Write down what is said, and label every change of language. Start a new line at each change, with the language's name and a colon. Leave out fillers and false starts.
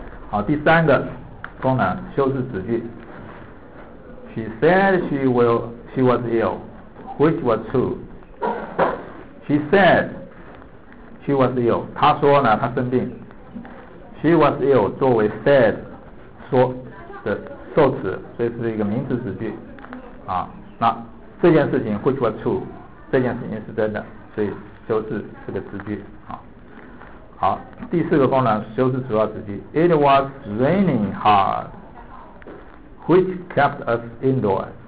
Chinese: 好，第三个功能，修饰子句。
English: She said she was ill, which was true. She said she was ill，
Chinese: 她说呢她生病。
English: She was ill
Chinese: 作为 said 说的受词，所以是一个名词子句。那这件事情
English: which was true，
Chinese: 这件事情是真的，所以修饰这个子句。好，第四个功能，修饰主要子句。
English: It was raining hard, which kept us indoors.